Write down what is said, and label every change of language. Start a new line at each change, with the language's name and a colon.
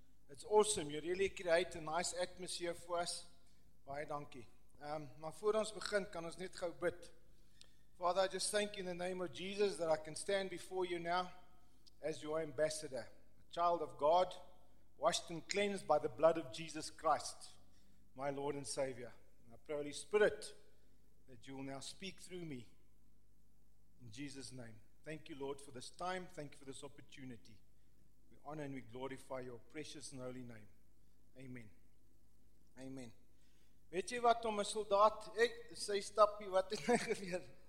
English: It's awesome, you really create a nice atmosphere for us.
Afrikaans: Baie dankie. Maar voor ons begin, kan ons net gauw bid.
English: Father, I just thank you in the name of Jesus that I can stand before you now as your ambassador, a child of God, washed and cleansed by the blood of Jesus Christ, my Lord and Savior. And I pray, Holy Spirit, that you will now speak through me in Jesus' name. Thank you, Lord, for this time. Thank you for this opportunity. We honor and we glorify your precious and holy name. Amen. Amen.
Afrikaans: Weet jy wat om 'n soldaat, sy stappie, wat het nou gebeur?